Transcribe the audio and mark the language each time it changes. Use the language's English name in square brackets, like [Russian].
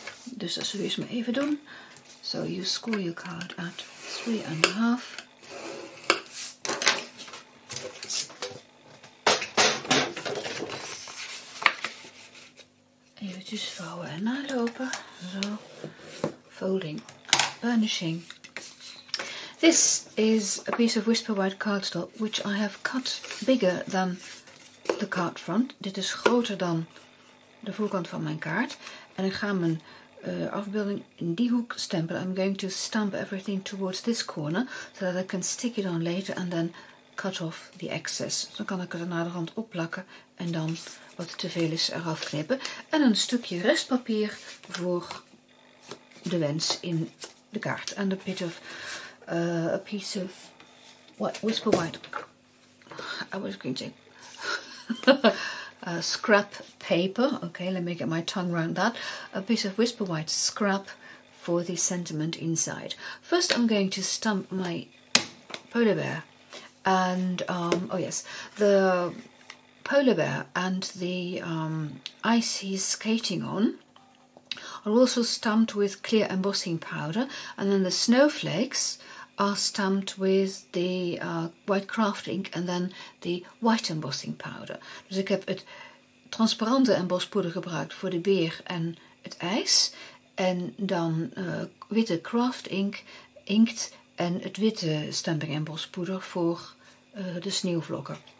[Dutch] Dus dat zullen we eens maar even doen. [English] So you score your card at 3.5. [Dutch] Eventjes vouwen en nalopen. Zo. [English] Folding, burnishing. This is a piece of whisper white cardstock which I have cut bigger than the card front. [Dutch] Dit is groter dan de voorkant van mijn kaart. En ik ga mijn afbeelding in die hoek stempelen. [English] I'm going to stamp everything towards this corner so that I can stick it on later and then cut off the excess. [Dutch] Dan kan ik het aan de hand opplakken en dan wat te veel is eraf knippen. En een stukje restpapier voor de wens in de kaart. En de [English] bit of a piece of whisper white. I was going to say scrap paper. Okay, let me get my tongue around that. A piece of whisper white scrap for the sentiment inside. First, I'm going to stamp my polar bear. And oh yes, the polar bear and the ice he's skating on are also stamped with clear embossing powder, and then the snowflakes are stamped with the white craft ink and then the white embossing powder. [Dutch] Dus ik heb het transparante embosspoeder gebruikt voor de beer en het ijs. En dan witte craft ink, inkt en het witte stamping embosspoeder voor de sneeuwvlokken.